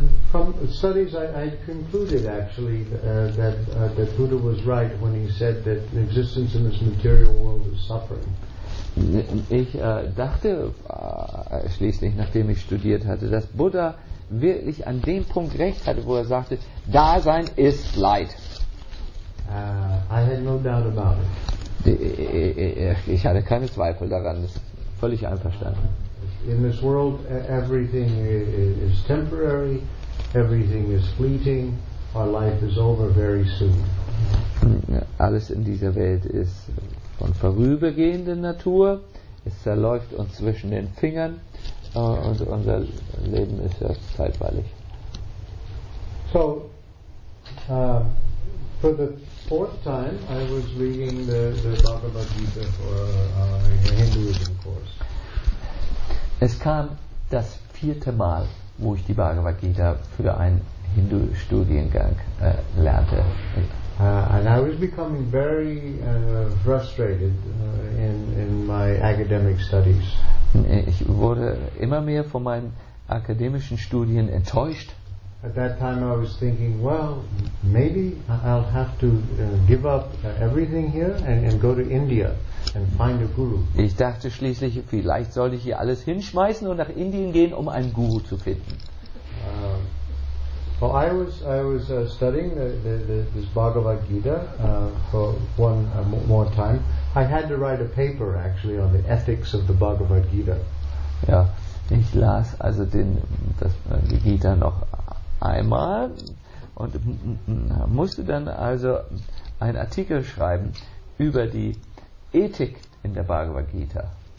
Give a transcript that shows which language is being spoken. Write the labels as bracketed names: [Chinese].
[English] From studies I concluded actually that Buddha was right when he said that existence in this material world is suffering. [German] Ich dachte schließlich, nachdem ich studiert hatte, dass Buddha wirklich an dem Punkt recht hatte, wo er sagte, Dasein ist Leid. [English] I had no doubt about it. [German] Ich hatte keine Zweifel daran, ist völlig einverstanden. [English] In this world everything is temporary, everything is fleeting, our life is over very soon. [German] Alles in dieser Welt ist von vorübergehender Natur, es zerläuft uns zwischen den Fingern und unser Leben ist ja zeitweilig. [English] So, for the fourth time I was reading the Bhagavad Gita for a Hinduism course. [German] Es kam das vierte Mal, wo ich die Bhagavad Gita für einen Hindu-Studiengang lernte. [English] And I was becoming very frustrated in my academic studies. [German] Ich wurde immer mehr von meinen akademischen Studien enttäuscht. [English] at that time I was thinking, well, maybe I'll have to give up everything here and go to India and find a guru. [German] Ich dachte schließlich, vielleicht soll ich hier alles hinschmeißen und nach Indien gehen, um einen Guru zu finden. [English] Well, I was studying this Bhagavad Gita for one more time. I had to write a paper actually on the ethics of the Bhagavad Gita. [German] Ja, ich las also die Gita noch einmal und musste dann also einen Artikel schreiben über die Ethik in der Bhagavad Gita.